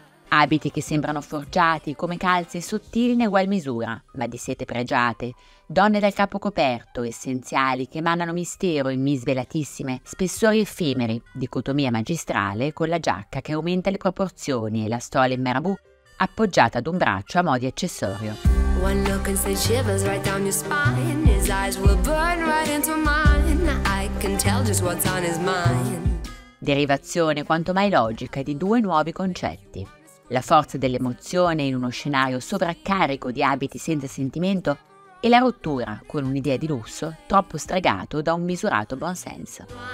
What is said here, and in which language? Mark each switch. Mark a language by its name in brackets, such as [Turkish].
[Italian] Abiti che sembrano forgiati, come calze sottili in egual misura, ma di sete pregiate. Donne dal capo coperto, essenziali, che emanano mistero in mie svelatissime, spessori effimeri, dicotomia magistrale, con la giacca che aumenta le proporzioni e la stola in marabù, appoggiata ad un braccio a mo' di accessorio. [English] One look and say shivers right down your spine, his eyes will burn right into mine, I can tell just what's on his mind. [Italian] Derivazione quanto mai logica di due nuovi concetti. La forza dell'emozione in uno scenario sovraccarico di abiti senza sentimento e la rottura con un'idea di lusso troppo stregato da un misurato buon senso.